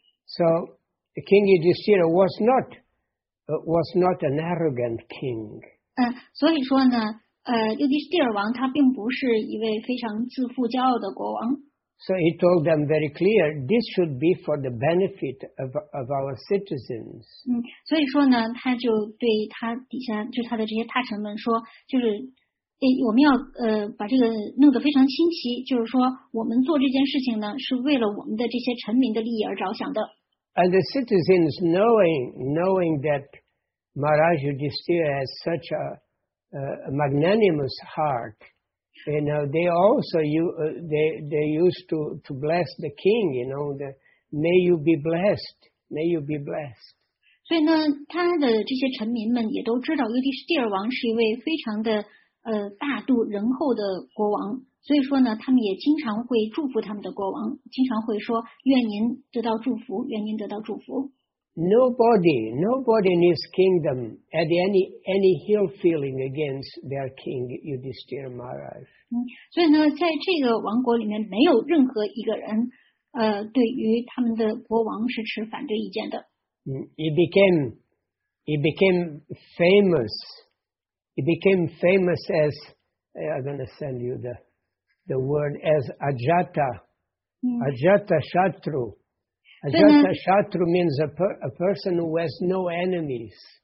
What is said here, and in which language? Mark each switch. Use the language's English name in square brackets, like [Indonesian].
[English] So, King Yudhishthira was not an arrogant king. [Chinese] 所以说呢。Yudhishthira Wang, 他并不是一位非常自负骄傲的国王。 [English] So he told them very clear, this should be for the benefit of our citizens. [Chinese] 所以说呢，他就对他底下，就是他的这些大臣们说，就是我们要把这个弄得非常清晰，就是说我们做这件事情呢，是为了我们的这些臣民的利益而着想的。 [English] And the citizens knowing that Maharaj Yudhishthira has such a magnanimous heart, you know, they also they used to bless the king, you know, that may you be blessed. [Chinese] 所以呢，他的这些臣民们也都知道，尤迪士蒂尔王是一位非常的大度仁厚的国王，所以说呢，他们也经常会祝福他们的国王，经常会说愿您得到祝福，愿您得到祝福。 [English] Nobody in his kingdom had any ill feeling against their king Yudhishthira Maharaj. [Chinese] 所以呢，在这个王国里面，没有任何一个人对于他们的国王是持反对意见的。 [English] He became famous. He became famous as I'm going to send you the word as Ajata. Ajata Shatru. Ajata Shatru means a person who has no enemies.